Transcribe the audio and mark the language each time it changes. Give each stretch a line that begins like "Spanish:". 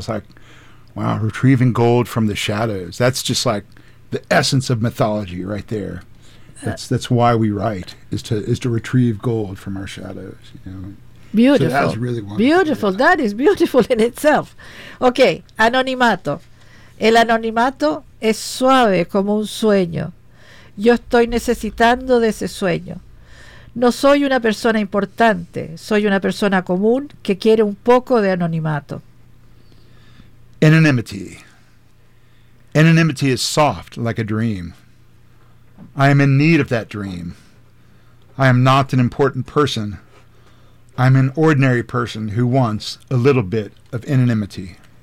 English: I was like, wow, retrieving gold from the shadows. That's just like the essence of mythology right there. That's why we write, is to retrieve gold from our shadows. You know? Beautiful. So that's really wonderful. Beautiful. Yeah. That is beautiful in itself. Okay. Anonimato.
Spanish: El anonimato es suave como un sueño. Yo estoy necesitando de ese sueño. No soy una persona importante. Soy una persona común que quiere un poco de anonimato.
English: Anonymity. Anonymity is soft like a dream. I am in need of that dream. I am not an important person. I'm an ordinary person who wants a little bit of anonymity.